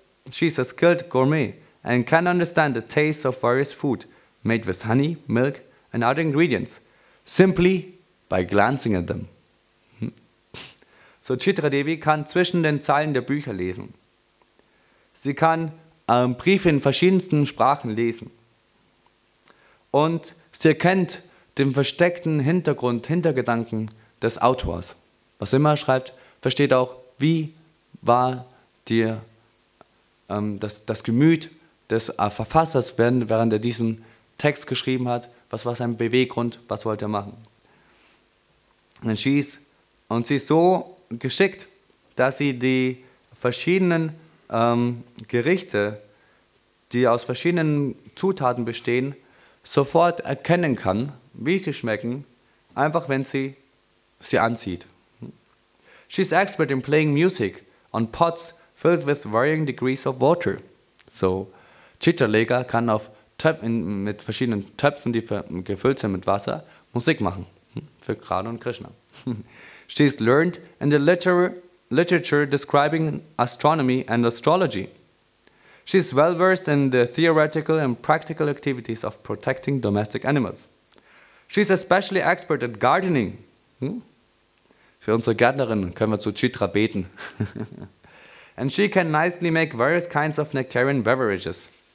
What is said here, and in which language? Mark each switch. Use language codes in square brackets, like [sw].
[en] She is a skilled gourmet and can understand the taste of various food made with honey, milk, and other ingredients simply by glancing at them. [de] So Chitra Devi kann zwischen den Zeilen der Bücher lesen. Sie kann Briefe in verschiedensten Sprachen lesen. Und sie erkennt den versteckten Hintergrund, Hintergedanken des Autors. Was immer er schreibt, versteht auch, wie war dir das Gemüt des Verfassers, während er diesen Text geschrieben hat, was war sein Beweggrund, was wollte er machen. Und sie ist so geschickt, dass sie die verschiedenen Gerichte, die aus verschiedenen Zutaten bestehen, sofort erkennen kann, wie sie schmecken, einfach wenn sie sie anzieht. [en] She's expert in playing music on pots filled with varying degrees of water. [de] So, Chitraleka kann auf Töpfen, mit verschiedenen Töpfen, die gefüllt sind mit Wasser, Musik machen. Für Krishna und Krishna. [en] She's learned in the literature describing astronomy and astrology. She's well versed in the theoretical and practical activities of protecting domestic animals. She's especially expert at gardening. [de] Für unsere Gärtnerin können wir zu Chitra beten. [en] And she can nicely make various kinds of nectarian beverages.